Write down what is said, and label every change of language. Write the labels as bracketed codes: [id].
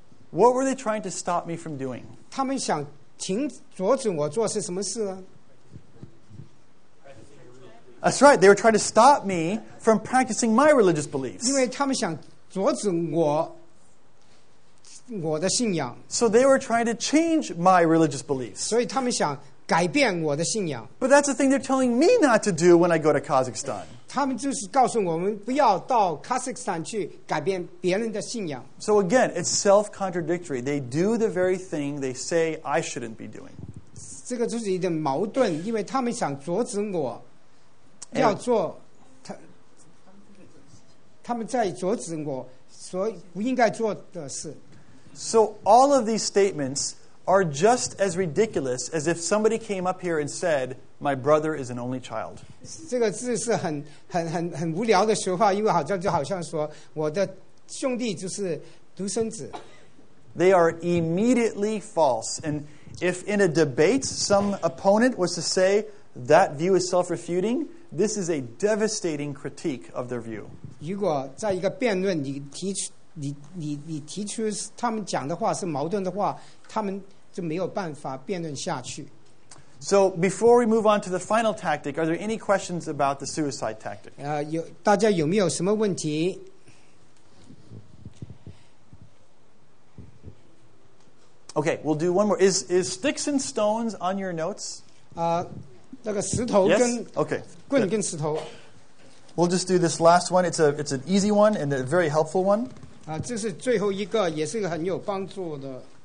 [en] What were they trying to stop me from doing? [zh] 他们想阻止我做是什么事呢？ [en] That's right, they were trying to stop me from practicing my religious beliefs. [zh] 因为他们想阻止我的信仰。 [en] So they were trying to change my religious beliefs. [zh] 所以他们想改变我的信仰。 [en] But that's the thing they're telling me not to do when I go to Kazakhstan. [zh] 他们就是告诉我们不要到 Kazakhstan 去改变别人的信仰。 [en] So again, it's self-contradictory. They do the very thing they say I shouldn't be doing. [zh] 这个就是一点矛盾，因为他们想阻止我。要做，他们在阻止我所不应该做的事。 [en] So all of these statements are just as ridiculous as if somebody came up here and said, "My brother is an only child." [zh] 这个字是很无聊的说话，因为好像说我的兄弟就是独生子。 [en] They are immediately false, and if in a debate some opponent was to say that view is self-refuting. This is a devastating critique of their view. [zh] 如果在一个辩论你提出他们讲的话是矛盾的话，他们就没有办法辩论下去。 [en] So before we move on to the final tactic, are there any questions about the suicide tactic? [zh] 大家有没有什么问题？ [en] Okay, we'll do one more. Is sticks and stones on your notes? [zh] 那个石头跟 [en] yes? Okay. [zh] 棍跟石头。 [en] We'll just do this last one. It's an easy one and a very helpful one. [zh] 这是最后一个，也是很有帮助的。